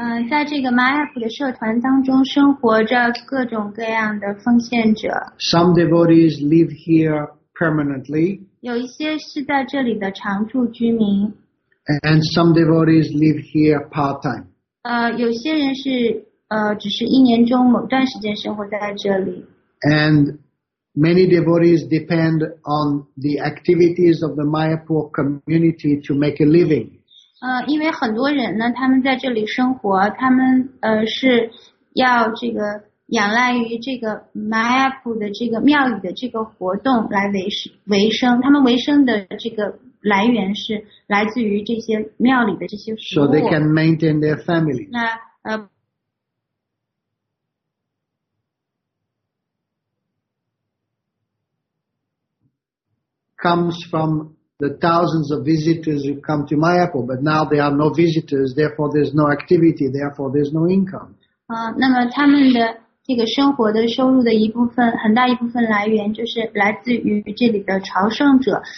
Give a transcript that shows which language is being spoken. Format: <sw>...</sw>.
<zh>在这个 Mayapur 的社团当中生活着各种各样的奉献者。</zh> <en>Some devotees live here permanently.</en> <zh>有一些是在这里的常住居民。</zh> <en>And some devotees live here part-time.</en> <zh>有些人是只是一年中某段时间生活在这里。</zh> <en>And many devotees depend on the activities of the Mayapur community to make a living.</en> <zh>因为很多人呢，他们在这里生活，他们是要这个仰赖于这个 Mayapur 的这个庙宇的这个活动来维生，他们维生的这个来源是来自于这些庙里的这些服务。</zh> <en>So they can maintain their family. comes from the thousands of visitors who come to Mayapur, but now there are no visitors, therefore there's no activity, therefore there's no income.</en> <zh>那么他们的这个生活的收入的一部分，很大一部分来源就是来自于这里的朝圣者。</zh>